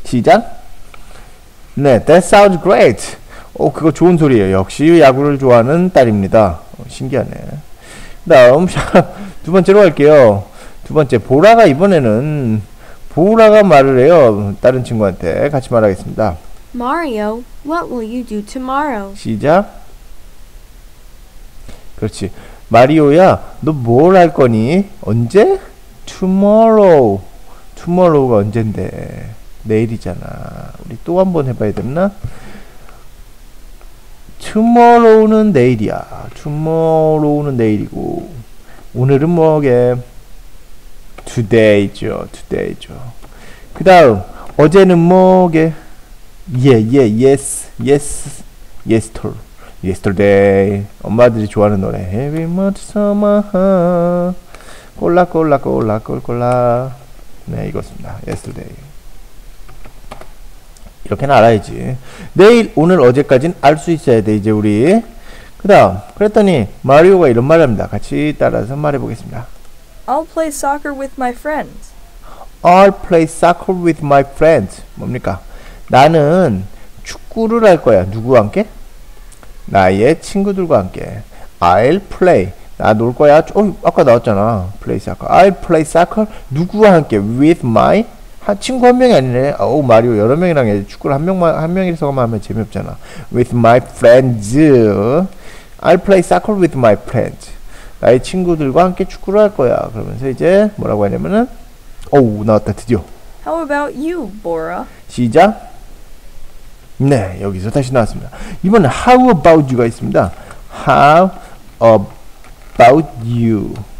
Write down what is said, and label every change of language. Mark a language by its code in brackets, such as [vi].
[ko] 시작. 네, [en] that sounds great. [ko] 그거 좋은 소리예요. 역시 야구를 좋아하는 딸입니다. 신기하네. 다음 두 번째로 갈게요. 두 번째 보라가 이번에는 보라가 말을 해요. 다른 친구한테 같이 말하겠습니다. [en] Mario, what will you do tomorrow? [ko] 시작. 그렇지. 마리오야, 너 뭘 할 거니? 언제? [en] Tomorrow. [ko] Tomorrow가 언젠데? 내일이잖아. 우리 또 한 번 해봐야 되나? Tomorrow는 내일이야. Tomorrow는 내일이고 오늘은 뭐게? Today죠. Today죠. 그 다음 어제는 뭐게? [en] Yeah, yeah, yes, yes, yesterday. Yesterday. [ko] 엄마들이 좋아하는 노래. Every month summer. 꼴라 꼴라 꼴라 꼴꼴라. 네, 이겼습니다. Yesterday. 이렇게는 알아야지. 내일, 오늘, 어제까지는 알 수 있어야 돼, 이제 우리. 그 다음, 그랬더니 마리오가 이런 말을 합니다. 같이 따라서 말해보겠습니다. [en] I'll play soccer with my friends. I'll play soccer with my friends. [ko] 뭡니까? 나는 축구를 할 거야. 누구와 함께? 나의 친구들과 함께. I'll play. 나 놀 거야. 아까 나왔잖아. [en] Play soccer. I'll play soccer. [ko] 누구와 함께? [en] With my [ko] 친구 한 명이 아니네. 오, 마리오 여러 명이랑 해야지. 축구를 한 명이서만 하면 재미없잖아. [en] With my friends. I'll play soccer with my friends. [ko] 나의 친구들과 함께 축구를 할 거야. 그러면서 이제 뭐라고 하냐면은 오우, 나왔다, 드디어. [en] How about you, Bora? [ko] 시작. 네, 여기서 다시 나왔습니다. 이번엔 [en] how about you [ko] 가 있습니다. [en] How about you?